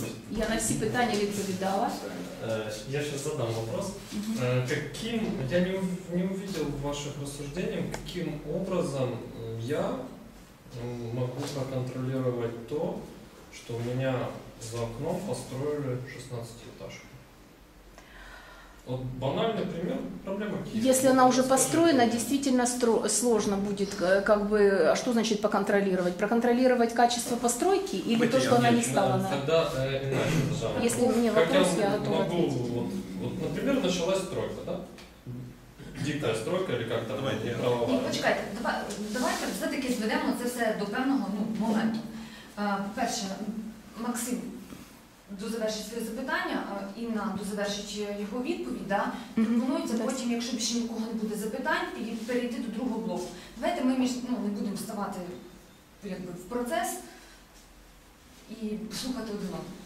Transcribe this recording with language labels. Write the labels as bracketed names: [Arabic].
[Ukrainian] Я на всі питання відповідала. Я ще задам вопрос. [Russian] Каким, я не увидел в ваших рассуждениях, каким образом я могу проконтролировать то, что у меня за окном построили 16-этажку. Вот банальный пример, проблема Киева. Если она уже построена, действительно сложно будет, как бы, а что значит поконтролировать? Проконтролировать качество постройки или то, что она не стала? Тогда иначе, пожалуйста. Если у меня вопрос, я готова ответить. Вот, например, началась стройка, да? Дикая стройка или как-то правовая. Давайте все-таки зведем это все [Ukrainian] до певного моменту. Перше, Максим. Дозавершить своє запитання, Інна дозавершить його відповідь, да? Пропонується потім, якщо більше нікого не буде запитань, і перейти до другого блоку. Давайте ми не будемо вставати якби, в процес і слухати один одного.